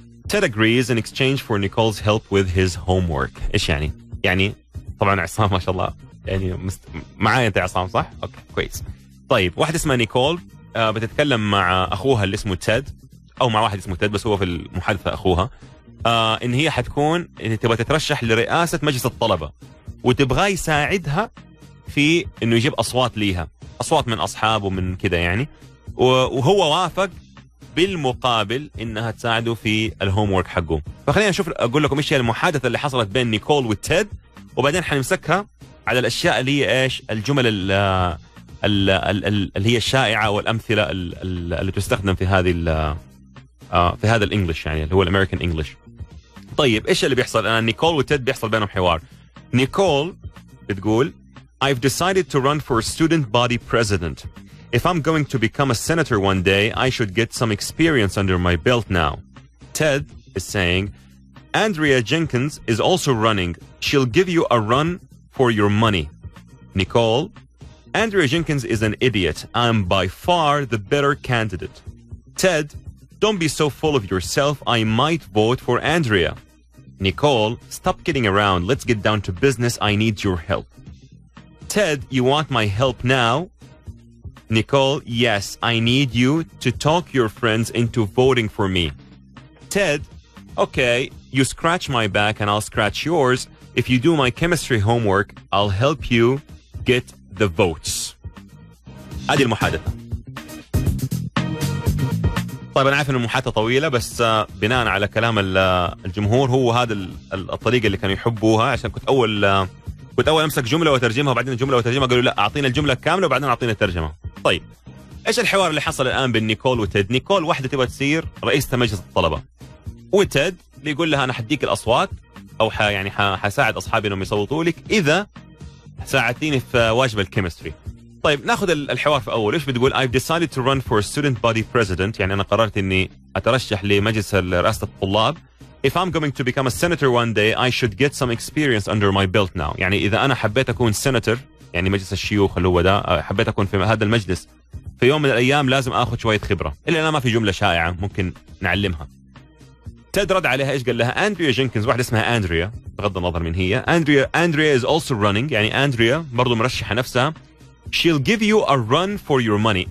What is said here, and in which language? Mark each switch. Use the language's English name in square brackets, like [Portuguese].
[English] Ted agrees in exchange for Nicole's help with his homework. [Arabic] إيش يعني؟ يعني طبعاً عصام ما شاء الله يعني معايا أنت عصام صح؟ أوكي كويس. طيب واحد اسمه نيكول بتتكلم مع أخوها اللي اسمه تيد أو مع واحد اسمه تيد بس هو في المحادثة أخوها إن هي حتكون إن تبغى تترشح لرئاسة مجلس الطلبة وتبغى يساعدها في إنه يجيب أصوات ليها أصوات من أصحابه من كده يعني وهو وافق بالمقابل إنها تساعده في الهومورك حقه فخلينا نشوف أقول لكم إيش هي المحادثة اللي حصلت بين نيكول وتيد وبعدين حنمسكها على الأشياء اللي هي إيش الجمل اللي هي الشائعة والأمثلة اللي تستخدم في هذه في هذا الإنجليش يعني اللي هو الأمريكان إنجليش طيب إيش اللي بيحصل أنا نيكول وتيد بيحصل بينهم حوار نيكول بتقول [English] I've decided to run for student body president If I'm going to become a senator one day, I should get some experience under my belt now. Ted is saying, Andrea Jenkins is also running. She'll give you a run for your money. Nicole, Andrea Jenkins is an idiot. I'm by far the better candidate. Ted, don't be so full of yourself. I might vote for Andrea. Nicole, stop kidding around. Let's get down to business. I need your help. Ted, you want my help now? Nicole, yes, I need you to talk your friends into voting for me. Ted, okay, you scratch my back and I'll scratch yours. If you do my chemistry homework, I'll help you get the votes. [Arabic] هذه المحادثة. طيب أنا عارف إن المحادثة طويلة بس بناء على كلام الجمهور هو هذا الطريقة اللي كانوا يحبوها عشان كنت أول أمسك جملة وترجمها وبعدين جملة وترجمها قالوا لا أعطينا الجملة كاملة وبعدين أعطينا الترجمة طيب إيش الحوار اللي حصل الآن بين نيكول وتيد نيكول واحدة تبغى تصير رئيسة مجلس الطلبة وتيد ليقول لها أنا حديك الأصوات أو يعني حساعد أصحابي أنهم يصوتوا لك إذا ساعدتيني في واجب الكيمستري طيب ناخذ الحوار في أول إيش بتقول [English] I've decided to run for student body president [Arabic] يعني أنا قررت إني أترشح لمجلس رئاسة الطلاب [English] If I'm going to become a senator one day, I should get some experience under my belt now. [Arabic] يعني إذا أنا حبيت أكون senator, يعني مجلس الشيوخ اللي هو ده, حبيت أكون في هذا المجلس, في يوم من الأيام لازم أخذ شوية خبرة. إلا أنا ما في جملة شائعة ممكن نعلمها. تيد رد عليها إيش قال لها؟ أندريا جينكنز, واحدة اسمها أندريا, بغض النظر من هي. أندريا [English] is also running, [Arabic] يعني أندريا برضو مرشحة نفسها. [English] She'll give you a run for your money.